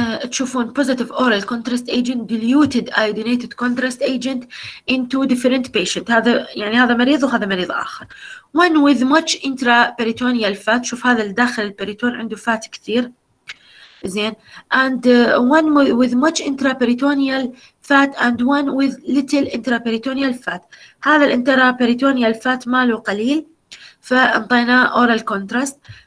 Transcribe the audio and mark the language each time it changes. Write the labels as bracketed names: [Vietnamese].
[English] تشوفون positive oral contrast agent diluted iodinated contrast agent in two different patient، [Arabic] هذا يعني هذا مريض وهذا مريض آخر. [English] one with much intraperitoneal fat، [Arabic] شوف هذا الداخل البريتون عنده فات كثير زين. [English] and one with much intraperitoneal fat and one with little intraperitoneal fat. [Arabic] هذا الانتراperitoneal fat ماله قليل فانطينا oral contrast.